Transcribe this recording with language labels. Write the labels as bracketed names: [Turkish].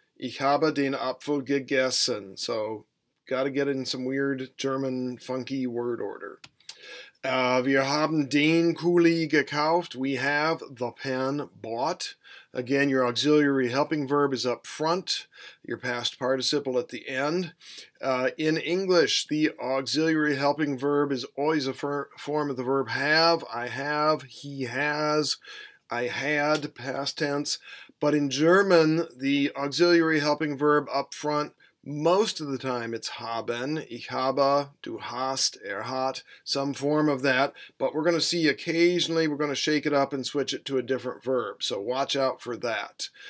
[German] Ich habe den Apfel gegessen. [English] So, got to get in some weird German funky word order. [German] Wir haben den Kuli gekauft. [English] We have the pen bought. Again, your auxiliary helping verb is up front. Your past participle at the end. In English, the auxiliary helping verb is always a form of the verb have. I have. He has. I had, past tense, but in German, the auxiliary helping verb up front, most of the time it's haben, [German] ich habe, du hast, hat, [English] some form of that, but we're going to see occasionally we're going to shake it up and switch it to a different verb, so watch out for that.